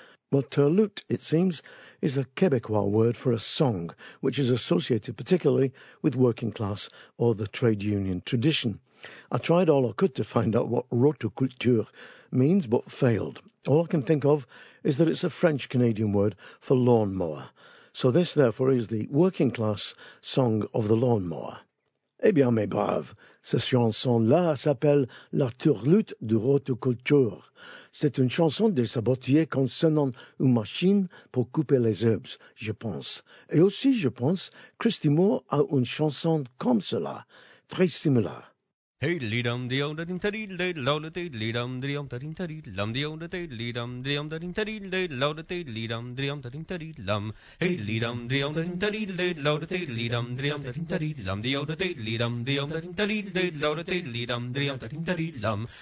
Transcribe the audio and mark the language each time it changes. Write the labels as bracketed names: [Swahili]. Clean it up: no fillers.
[English] Well, turlute, it seems, is a Québécois word for a song, which is associated particularly with working class or the trade union tradition. I tried all I could to find out what rotoculture means, but failed. All I can think of is that it's a French-Canadian word for lawnmower. So this, therefore, is the working-class song of the lawnmower. [French] Eh bien, mes braves, cette chanson-là s'appelle La Turlute de Rotoculture. C'est une chanson des sabotiers concernant une machine pour couper les herbes, je pense. Et aussi, je pense, Christy Moore a une chanson comme cela, très similaire. Hey, lead on the old ding teddy, they load it, lead on the young ding teddy, lum the old day, lead on the young ding teddy, they load it, lead on the young ding teddy, lum. Hey, lead on the young ding teddy, they load it, lead on the young ding teddy, lum the old day, lead on the young ding teddy, they load it, lead on the young ding teddy, lum.